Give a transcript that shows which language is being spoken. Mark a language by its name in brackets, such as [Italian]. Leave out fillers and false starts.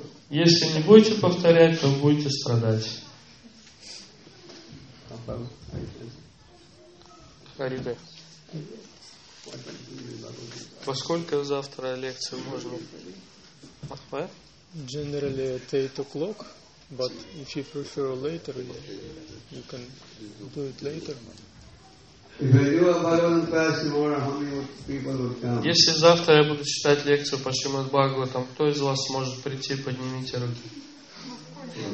[Russian] Если не будете повторять, то будете страдать. Харибе. Во сколько завтра лекцию можно? [English] Generally at 8 o'clock. But if you prefer later, you can do it later. If I do a Bhagavatam class tomorrow, how many people will come? [Russian] Если завтра я буду читать лекцию по Шримад Бхагаватам, кто из вас может прийти, поднимите руки.